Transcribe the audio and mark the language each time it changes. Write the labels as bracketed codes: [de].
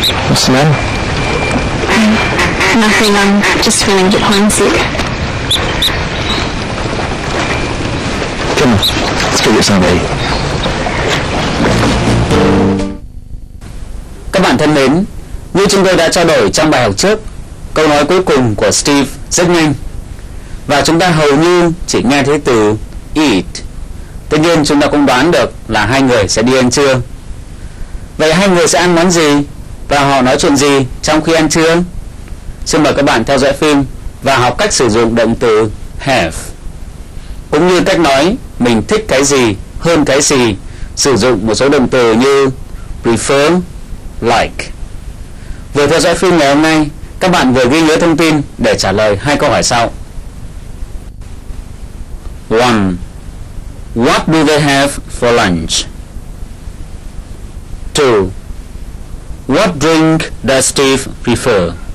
[en] What's the matter? Nothing, I'm just feeling a bit homesick. Come on, let's go get something to eat. [vi] Các bạn thân mến, như chúng tôi đã trao đổi trong bài học trước, câu nói cuối cùng của Steve rất nhanh. Và chúng ta hầu như chỉ nghe thấy từ eat. Tuy nhiên chúng ta cũng đoán được là hai người sẽ đi ăn trưa. Vậy hai người sẽ ăn món gì và họ nói chuyện gì trong khi ăn trưa? Xin mời các bạn theo dõi phim và học cách sử dụng động từ have, cũng như cách nói mình thích cái gì hơn cái gì, sử dụng một số động từ như prefer, like. Vừa theo dõi phim ngày hôm nay, các bạn vừa ghi nhớ thông tin để trả lời hai câu hỏi sau. 1. [en] What do they have for lunch? 2. What drink does Steve prefer?